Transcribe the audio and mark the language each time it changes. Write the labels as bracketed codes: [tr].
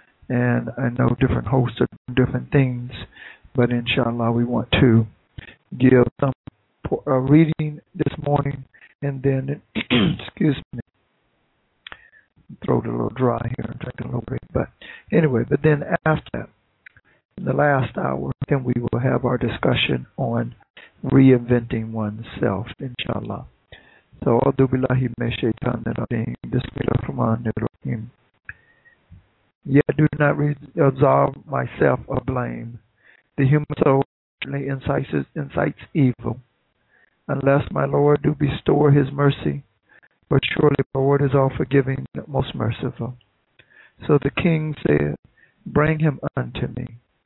[en] And I know different hosts are doing different things, but inshallah, we want to give some reading this morning, and then excuse me, throat a little dry here, drinking a little bit. But anyway, but then after that, in the last hour, then we will have our discussion on reinventing oneself, inshallah. [ar] So, أعوذ بالله من الشيطان الرجيم. بسم الله الرحمن الرحيم. [en] Yet do not absolve myself of blame. The human soul certainly incites evil, unless my Lord do bestow his mercy. But surely my Lord is all forgiving, most merciful. So the king said, bring him unto me.